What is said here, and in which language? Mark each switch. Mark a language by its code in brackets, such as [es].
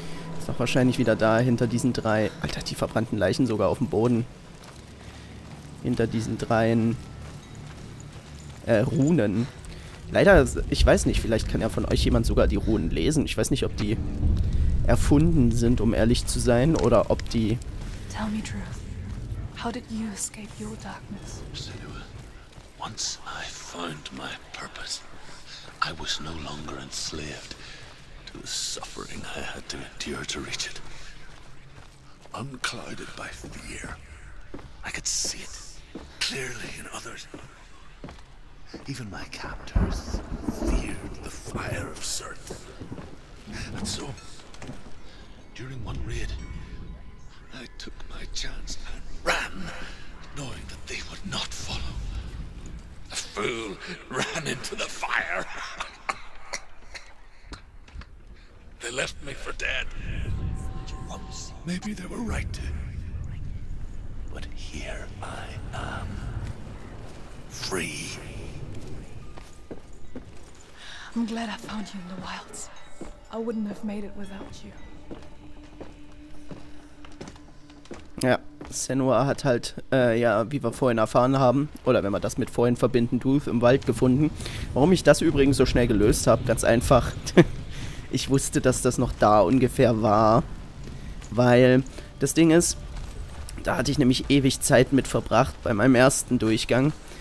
[de] Das ist doch wahrscheinlich wieder da hinter diesen drei. Alter, die verbrannten Leichen sogar auf dem Boden. Hinter diesen dreien. Runen. Leider, ich weiß nicht, vielleicht kann ja von euch jemand sogar die Runen lesen. Ich weiß nicht, ob die erfunden sind, um ehrlich zu sein, oder ob die. [en] Tell me truth. How did you escape your darkness? Once I find my purpose. I was no longer enslaved to the suffering I had to endure to reach it. Unclouded by fear, I could see it clearly in others. Even my captors feared the fire of Surtr. And so, during one raid, I took my chance and ran, knowing that they would not follow. A fool ran into the fire. They left me for dead. Maybe they were right. But here I am. Free. I'm glad I found you in the wilds. I wouldn't have made it without you. [de] Ja, Senua hat halt, ja, wie wir vorhin erfahren haben, oder wenn wir das mit vorhin verbinden, Duth im Wald gefunden. Warum ich das übrigens so schnell gelöst habe, ganz einfach. Ich wusste, dass das noch da ungefähr war. Weil das Ding ist, da hatte ich nämlich ewig Zeit mit verbracht bei meinem ersten Durchgang.